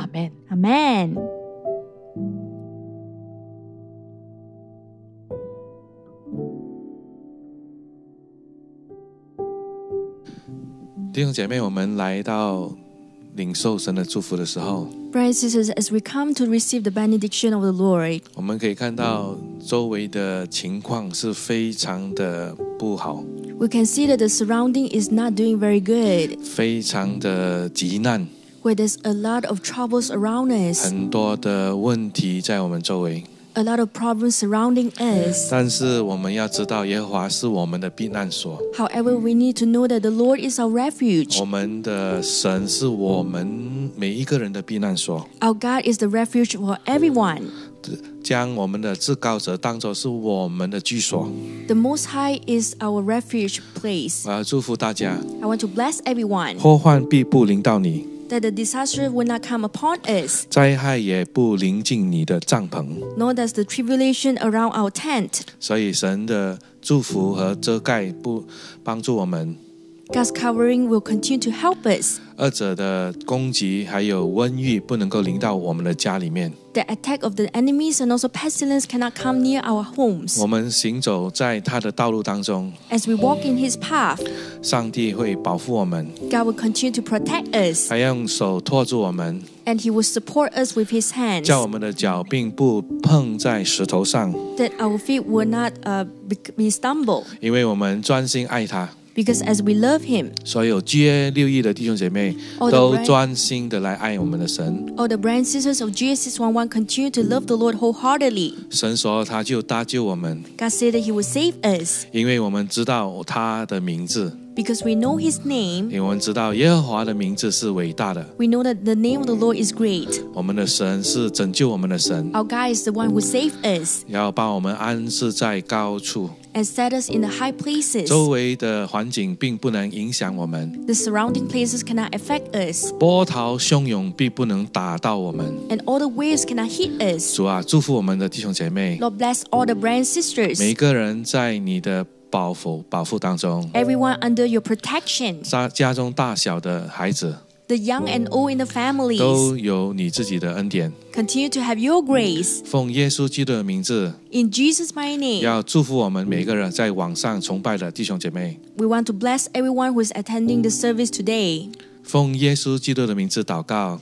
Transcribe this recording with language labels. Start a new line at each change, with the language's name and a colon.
English: Amen. Amen.
Chinese: 弟兄姐妹，我们来到领受神的祝福的时候
English: Brothers and sisters, as we come to receive the benediction of the Lord
Chinese: 我们可以看到周围的情况是非常的不好
English: We can see that the surrounding is not doing very good
Chinese: 非常的急难
English: Where there's a lot of troubles around us
Chinese: 很多的问题在我们周围
English: A lot of problems surrounding us
Chinese: 但是我们要知道耶和华是我们的避难所
English: However, we need to know that the Lord is our refuge.
Chinese: 我们的神是我们每一个人的避难所。
English: Our God is the refuge for everyone.
Chinese: 将我们的至高者当作是我们的居所。
English: The Most High is our refuge place.
Chinese: 我要祝福大家。
English: I want to bless everyone.
Chinese: 祸患必不临到你。
English: That the disaster will not come upon us.
Chinese: 灾害也不临近你的帐篷。
English: Nor does the tribulation around our tent.
Chinese: 所以神的祝福和遮盖不帮助我们。
English: God's covering will continue to help us.
Chinese: 恶者的攻击还有瘟疫不能够临到我们的家里面。
English: The attack of the enemies and also pestilence cannot come near our homes.
Chinese: 我们行走在他的道路当中。
English: As we walk in his path.
Chinese: 上帝会保护我们。
English: God will continue to protect us.
Chinese: 还用手托住我们。
English: And he will support us with his hands.
Chinese: 叫我们的脚并不碰在石头上。
English: That our feet will not be stumbled.
Chinese: 因为我们专心爱他。
English: Because as we love him,
Chinese: 所有GA六一的弟兄姐妹都专心的来爱我们的神。
English: All the brothers and sisters of GA611 continue to love the Lord wholeheartedly.
Chinese: 神说他就搭救我们。
English: God said that he will save us.
Chinese: 因为我们知道他的名字。
English: Because we know his name.
Chinese: 因为我们知道耶和华的名字是伟大的。
English: We know that the name of the Lord is great.
Chinese: 我们的神是拯救我们的神。
English: Our God is the one who saved us.
Chinese: 要把我们安置在高处。
English: And set us in the high places.
Chinese: 周围的环境并不能影响我们。
English: The surrounding places cannot affect us.
Chinese: 波涛汹涌并不能打到我们。
English: And all the waves cannot hit us.
Chinese: 主啊，祝福我们的弟兄姐妹。
English: Lord bless all the brothers and sisters.
Chinese: 每个人在你的保护当中。
English: Everyone under your protection.
Chinese: 家中大小的孩子。
English: The young and old in the families.
Chinese: 都有你自己的恩典。
English: Continue to have your grace.
Chinese: 奉耶稣基督的名字。
English: In Jesus' my name.
Chinese: 要祝福我们每个人在网上崇拜的弟兄姐妹。
English: We want to bless everyone who is attending the service today.
Chinese: 奉耶稣基督的名字祷告。